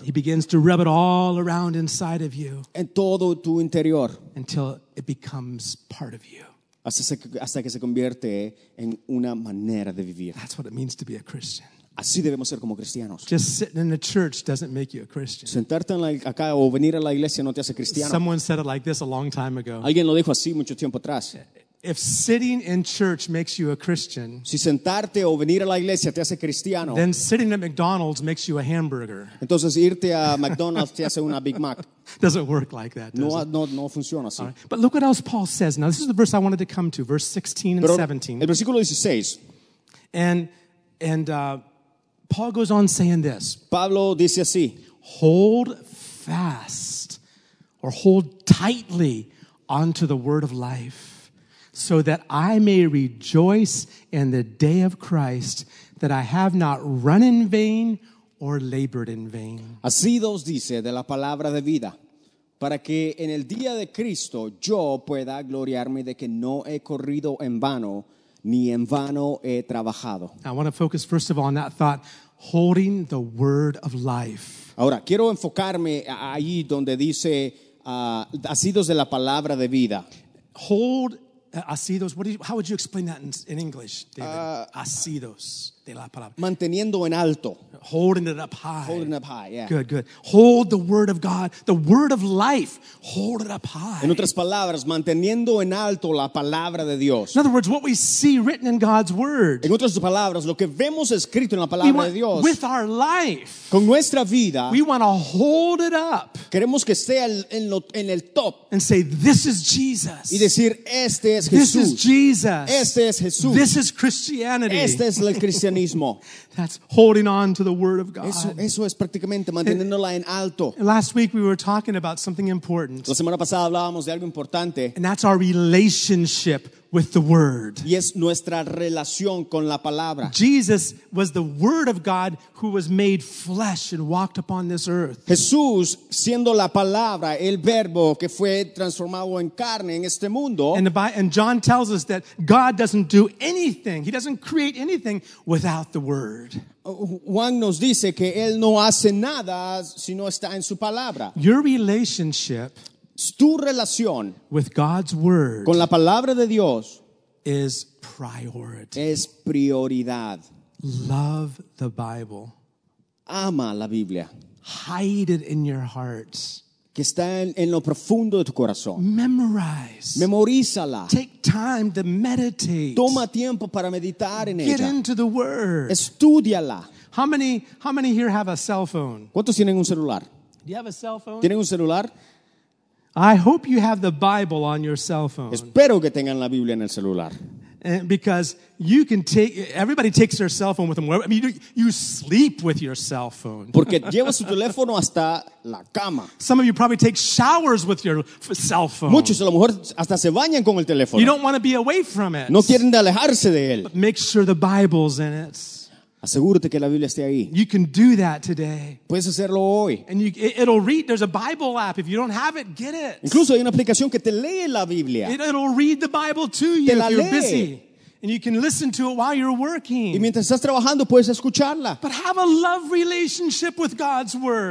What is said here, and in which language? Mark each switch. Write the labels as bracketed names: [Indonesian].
[English] He begins to rub it all around inside of you. [Spanish] En todo tu interior. [English] Until it becomes part of you. [Spanish] Hasta que se convierte en una manera de vivir. [English] That's what it means to be a Christian. [Spanish] Así debemos ser como cristianos. [English] Just sitting in the church doesn't make you a Christian. [Spanish] Sentarte en la, acá o venir a la iglesia no te hace cristiano. [English] Someone said it like this a long time ago. [Spanish] Alguien lo dijo así mucho tiempo atrás. [English] If sitting in church makes you a Christian, [Spanish] si sentarte o venir a la iglesia te hace cristiano, [English] then sitting at McDonald's makes you a hamburger. [Spanish] Entonces irte a McDonald's te hace una Big Mac. [English] Doesn't work like that, does it? [Spanish] No funciona así. [English] Right. But look what else Paul says. Now this is the verse I wanted to come to, verse 16 and [Spanish] pero [English] 17. [Spanish] El versículo 16. [English] And Paul goes on saying this. [Spanish] Pablo dice así. [English] Hold fast or hold tightly onto the word of life. So that I may rejoice in the day of Christ, that I have not run in vain or labored in vain. [Spanish] Así Dios dice de la palabra de vida, para que en el día de Cristo yo pueda gloriarme de que no he corrido en vano, ni en vano he trabajado. [English] I want to focus first of all on that thought, holding the word of life. [Spanish] Ahora, quiero enfocarme ahí donde dice asidos de la palabra de vida. [English] Hold asidos. How would you explain that in English, David? [Spanish] Asidos de la palabra. Manteniendo en alto. [English] Holding it up high. Holding it up high, yeah. Good, good. Hold the word of God, the word of life. Hold it up high. [Spanish] En otras palabras, manteniendo en alto la palabra de Dios. [English] In other words, what we see written in God's word. [Spanish] En otras palabras, lo que vemos escrito en la palabra de Dios. [English] With our life. [Spanish] Con nuestra vida. [English] We want to hold it up. [Spanish] Queremos que esté en el top. [English] And say, this is Jesus. [Spanish] Y decir, este es Jesús. [English] This is Jesus. [Spanish] Este es Jesús. [English] This is Christianity. [Spanish] Este es el cristianismo. [English] That's holding on to the word of God. [Spanish] Eso es prácticamente manteniéndola en alto. [English] Last week we were talking about something important. [Spanish] La semana pasada hablábamos de algo importante. [English] And that's our relationship with the word. [Spanish] Y es nuestra relación con la palabra. [English] Jesus was the word of God who was made flesh and walked upon this earth. [Spanish] Jesús, siendo la palabra, el verbo que fue transformado en carne en este mundo. [English] And John tells us that God doesn't do anything. He doesn't create anything without the word. [Spanish] Juan nos dice que él no hace nada si no está en su palabra. [English] Your relationship [Spanish] tu relación [English] with God's word [Spanish] con la palabra de Dios [English] is priority. [Spanish] Es prioridad. [English] Love the Bible. [Spanish] Ama la Biblia. [English] Hide it in your hearts. [Spanish] Que está en lo profundo de tu corazón. [English] Memorize. [Spanish] Memorízala. [English] Take time to meditate. [Spanish] Toma tiempo para meditar en [English] Get [Spanish] ella. [English] Get into the word. [Spanish] Estúdiala. [English] How many here have a cell phone? [Spanish] ¿Cuántos tienen un celular? [English] Do you have a cell phone? [Spanish] ¿Tienen un celular? [English] I hope you have the Bible on your cell phone. [Spanish] Espero que tengan la Biblia en el celular. [English] And because you can take, everybody takes their cell phone with them. I mean, you sleep with your cell phone. [Spanish] Porque lleva su teléfono hasta la cama. [English] Some of you probably take showers with your cell phone. [Spanish] Muchos a lo mejor hasta se bañan con el teléfono. [English] You don't want to be away from it. [Spanish] No quieren de alejarse de él. [English] But make sure the Bible's in it. [Spanish] Asegúrate que la Biblia esté ahí. [English] You can do that today. [Spanish] Puedes hacerlo hoy. [English] And it'll read. There's a Bible app. If you don't have it, get it. [Spanish] Incluso hay una aplicación que te lee la Biblia. [English] It'll read the Bible to you if you're busy. And you can listen to it while you're working. [Spanish] Y mientras estás trabajando, puedes escucharla. [English] But have a love relationship with God's word.